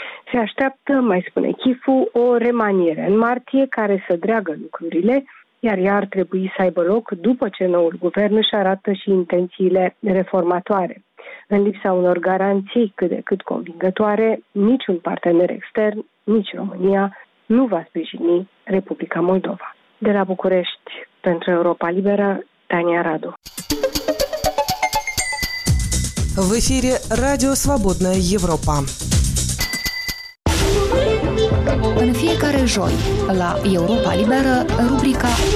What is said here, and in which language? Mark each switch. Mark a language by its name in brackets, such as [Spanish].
[Romanian] Se așteaptă, mai spune Chifu, o remaniere în martie care să dreagă lucrurile, iar ea ar trebui să aibă loc după ce noul guvern își arată și intențiile reformatoare. În lipsa unor garanții cât de cât convingătoare, niciun partener extern, nici România, nu va sprijini Republica Moldova. De la București, pentru Europa Liberă, Tania Radu. [Russian] В эфире Радио Свободная Европа. [Romanian] În fiecare joi la Europa Liberă, rubrica